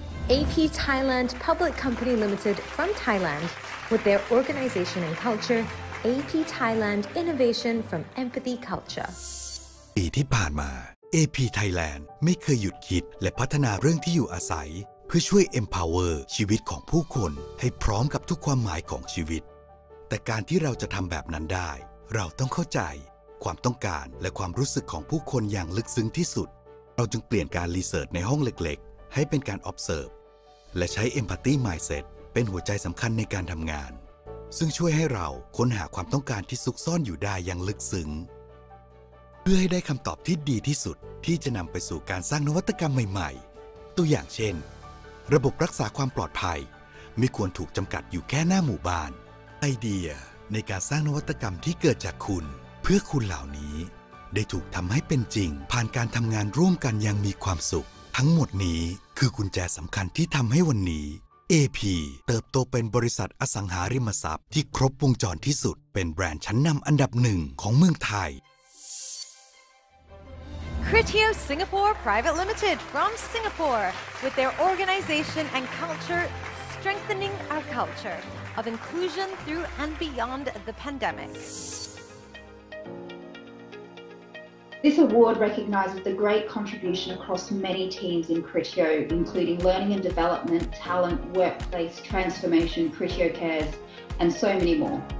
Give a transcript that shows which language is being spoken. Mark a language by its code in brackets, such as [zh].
[en] AP Thailand Public Company Limited from Thailand with their organization and culture, AP Thailand Innovation from Empathy Culture. [th] ปีที่ผ่านมา AP Thailand ไม่เคยหยุดคิดและพัฒนาเรื่องที่อยู่อาศัยเพื่อช่วย empower ชีวิตของผู้คนให้พร้อมกับทุกความหมายของชีวิตแต่การที่เราจะทำแบบนั้นได้เราต้องเข้าใจความต้องการและความรู้สึกของผู้คนอย่างลึกซึ้งที่สุดเราจึงเปลี่ยนการรีเสิร์ชในห้องเล็กๆให้เป็นการ observe และใช้ empathy mindset เป็นหัวใจสำคัญในการทำงานซึ่งช่วยให้เราค้นหาความต้องการที่ซุกซ่อนอยู่ได้อย่างลึกซึ้ง เพื่อให้ได้คำตอบที่ดีที่สุดที่จะนำไปสู่การสร้างนวัตกรรมใหม่ๆตัวอย่างเช่นระบบรักษาความปลอดภัยไม่ควรถูกจำกัดอยู่แค่หน้าหมู่บ้านไอเดียในการสร้างนวัตกรรมที่เกิดจากคุณเพื่อคุณเหล่านี้ได้ถูกทำให้เป็นจริงผ่านการทำงานร่วมกันอย่างมีความสุขทั้งหมดนี้คือกุญแจสำคัญที่ทำให้วันนี้ AP เติบโตเป็นบริษัทอสังหาริมทรัพย์ที่ครบวงจรที่สุดเป็นแบรนด์ชั้นนำอันดับหนึ่งของเมืองไทย [en] Critio Singapore Private Limited from Singapore, with their organization and culture strengthening our culture of inclusion through and beyond the pandemic. This award recognizes the great contribution across many teams in Critio, including learning and development, talent, workplace transformation, Critio Cares, and so many more.